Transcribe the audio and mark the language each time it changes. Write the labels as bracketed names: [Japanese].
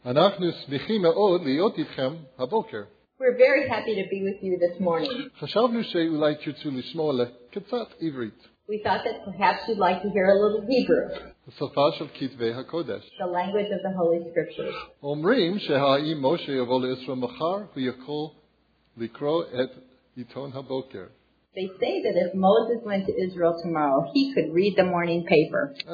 [Hebrew] אנחנו שמחים מאוד להיות איתכם הבוקר. [English] We're very happy to be with you this morning. [Hebrew] חשבנו שאולי תרצו לשמוע קצת עברית. [English] We thought that perhaps you'd like to hear a little Hebrew. [Hebrew] השפה של כתבי הקודש. [English] The language of the Holy Scriptures. [Hebrew] אומרים שהאם משה יבוא לישראל מחר, הוא יכול לקרוא את עיתון הבוקר. [English] They say that if Moses went to Israel tomorrow, he could read the morning paper.